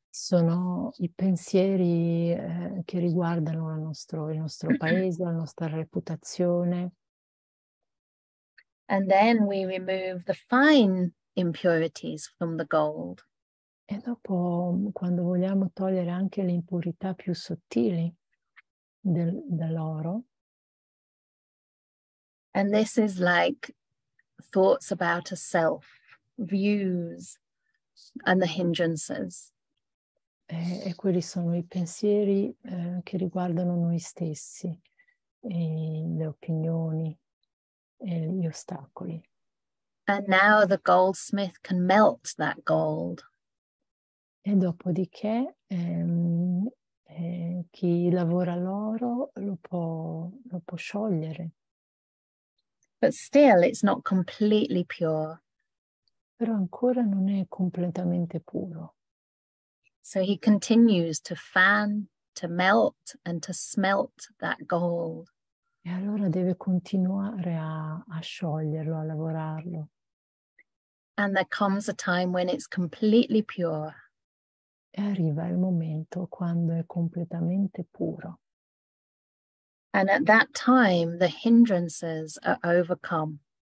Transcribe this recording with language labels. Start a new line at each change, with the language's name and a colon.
Italian: Sono i pensieri che riguardano il nostro paese, la nostra reputazione.
English: And then we remove the fine impurities from the gold.
Italian: E dopo, quando vogliamo togliere anche le impurità più sottili dell'oro.
English: And this is like thoughts about a self, views and the hindrances.
Italian: E quelli sono i pensieri che riguardano noi stessi, e le opinioni e gli ostacoli.
English: And now the goldsmith can melt that gold.
Italian: E dopodiché chi lavora l'oro lo può sciogliere.
English: But still it's not completely pure.
Italian: Però ancora non è completamente puro.
English: So he continues to fan, to melt, and to smelt that gold.
Italian: E allora deve continuare a scioglierlo, a lavorarlo.
English: And there comes a time when it's completely pure.
Italian: E arriva il momento quando è completamente puro.
English: And at that time the hindrances are overcome.